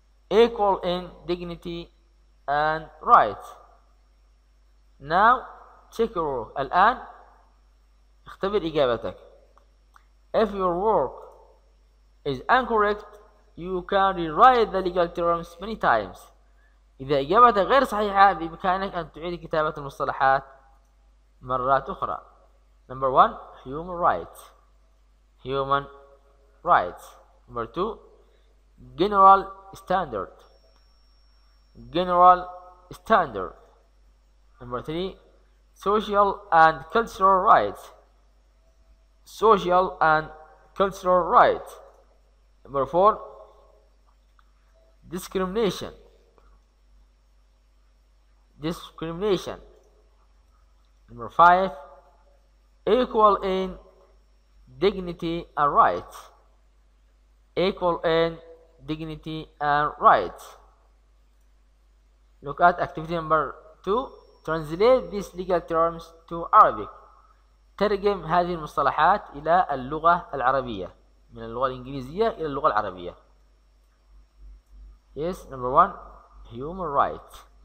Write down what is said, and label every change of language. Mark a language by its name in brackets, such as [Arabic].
[English] Equal in dignity and rights. Now check your work. [Arabic] الآن اختبر إجابتك. [English] If your work is incorrect, you can rewrite the legal terms many times. [Arabic] إذا إجابتك غير صحيحة بإمكانك أن تعيد كتابة المصطلحات مرات أخرى. [English] Number one, human rights. Human rights. Number two, general standard. General standard. Number three, social and cultural rights. Social and cultural rights. Number four, discrimination. Discrimination. Number five, equal in dignity and rights. Equal in dignity and rights. Look at activity number two. Translate these legal terms to Arabic. [Arabic] ترجم هذه المصطلحات إلى اللغة العربية, من اللغة الإنجليزية إلى اللغة العربية. [English] Yes, number one, human rights.